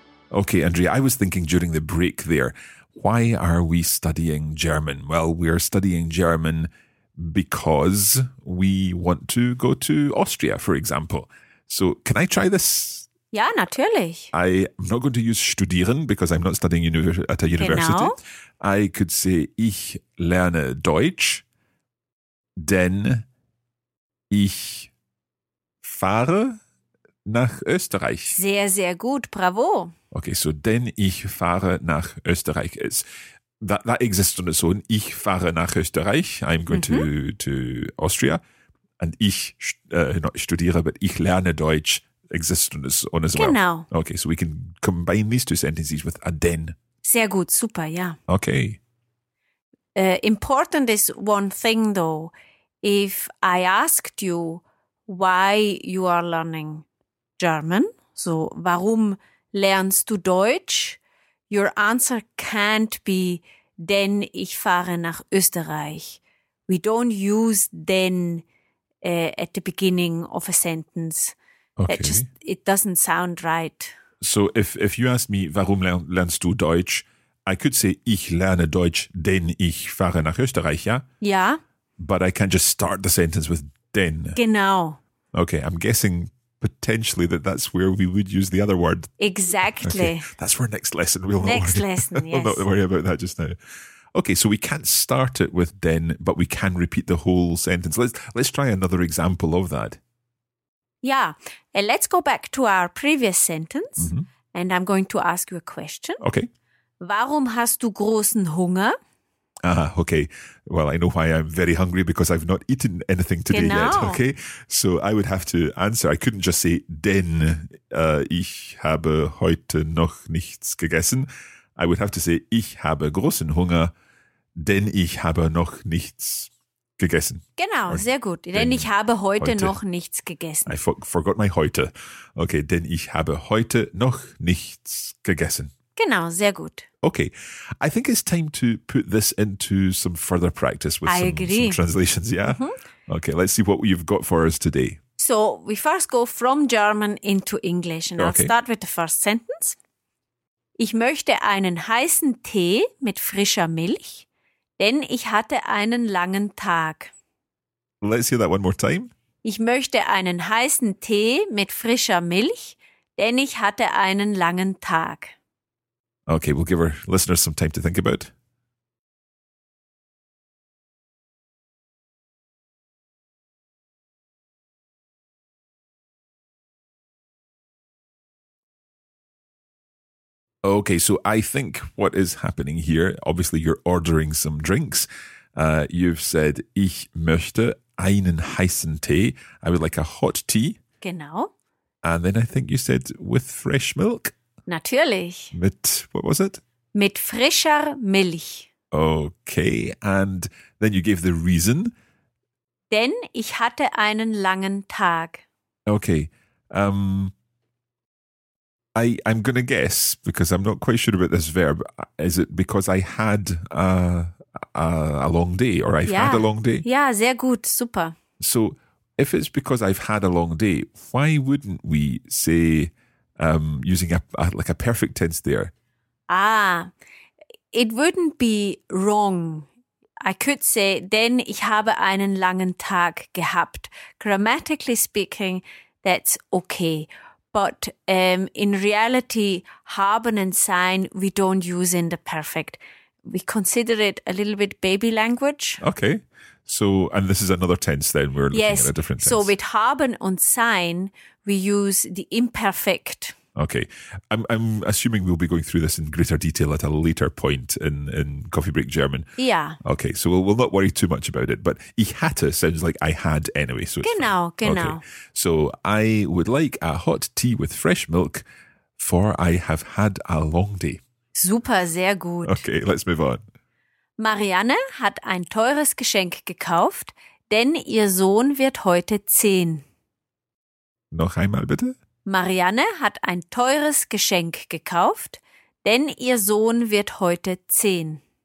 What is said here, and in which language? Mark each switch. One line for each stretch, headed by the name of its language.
English: Okay, Andrea, I was thinking during the break there, why are we studying German? Well, we are studying German because we want to go to Austria, for example. So can I try this?
German: Ja, natürlich.
English: I'm not going to use studieren because I'm not studying at a university.
German: Genau.
English: I could say
German: ich lerne Deutsch, denn ich fahre nach Österreich. Sehr, sehr gut. Bravo.
English: Okay, so
German: denn ich fahre nach Österreich
English: ist. That exists on its own.
German: Ich fahre nach Österreich.
English: I'm going to Austria. And ich not studiere, but
German: ich lerne Deutsch
English: exists on its own.
German: Genau.
English: Well. Okay, so we can combine these two sentences with a denn.
German: Sehr gut, super, ja.
English: Okay. Important is one thing though. If I asked you why you are learning German, so
German: warum lernst du Deutsch?
English: Your answer can't be,
German: denn ich fahre nach Österreich.
English: We don't use denn at the beginning of a sentence. Okay. It doesn't sound right. So if you ask me,
German: warum lernst du Deutsch?
English: I could say,
German: ich lerne Deutsch, denn ich fahre nach Österreich, ja? Ja.
English: But I can't just start the sentence with denn.
German: Genau.
English: Okay, I'm guessing potentially that's where we would use the other word. Exactly. Okay. That's for next lesson. We'll next lesson, yes. We'll not worry about that just now. Okay, so we can't start it with den, but we can repeat the whole sentence. Let's try another example of that. Yeah. Let's go back to our previous sentence. Mm-hmm. And I'm going to ask you a question. Okay.
German: Warum hast du großen Hunger?
English: Ah, okay. Well, I know why I'm very hungry, because I've not eaten anything today yet, okay? So I would have to answer. I couldn't just say,
German: denn ich habe heute noch nichts gegessen.
English: I would have to say,
German: ich habe großen Hunger, denn ich habe noch nichts gegessen. Genau, or, sehr gut. Denn ich habe heute noch nichts gegessen.
English: I forgot my heute.
German: Okay, denn ich habe heute noch nichts gegessen. Genau, sehr gut.
English: Okay, I think it's time to put this into some further practice with some translations, yeah? Mm-hmm. Okay, let's see what you've got for us today. So we first go from German into English, and I'll start with the first sentence.
German: Ich möchte einen heißen Tee mit frischer Milch, denn ich hatte einen langen Tag.
English: Let's hear that one more time.
German: Ich möchte einen heißen Tee mit frischer Milch, denn ich hatte einen langen Tag.
English: Okay, we'll give our listeners some time to think about. Okay, so I think what is happening here, obviously you're ordering some drinks. You've said,
German: ich möchte einen heißen Tee.
English: I would like a hot tea.
German: Genau.
English: And then I think you said, with fresh milk.
German: Natürlich.
English: Mit, what was it?
German: Mit frischer Milch.
English: Okay, and then you gave the reason.
German: Denn ich hatte einen langen Tag.
English: Okay. I'm going to guess, because I'm not quite sure about this verb, is it because I had a long day, or I've had a long day?
German: Ja, sehr gut, super.
English: So, if it's because I've had a long day, why wouldn't we say, using a perfect tense there. Ah, it wouldn't be wrong. I could say,
German: denn ich habe einen langen Tag gehabt.
English: Grammatically speaking, that's okay. But in reality, haben and sein, we don't use in the perfect. we consider it a little bit baby language. Okay. So, and this is another tense then. We're looking yes. at a different tense. So with haben und sein, we use the imperfect. Okay. I'm assuming we'll be going through this in greater detail at a later point in Coffee Break German. Yeah. Okay. So we'll not worry too much about it. But
German: ich hatte
English: sounds like I had anyway. So
German: genau,
English: it's
German: genau.
English: Okay. So I would like a hot tea with fresh milk, for I have had a long day.
German: Super, sehr gut.
English: Okay, let's move on. Marianne hat ein teures Geschenk gekauft, denn ihr Sohn wird heute 10. Noch einmal bitte? Marianne hat ein teures Geschenk gekauft, denn ihr Sohn wird heute 10.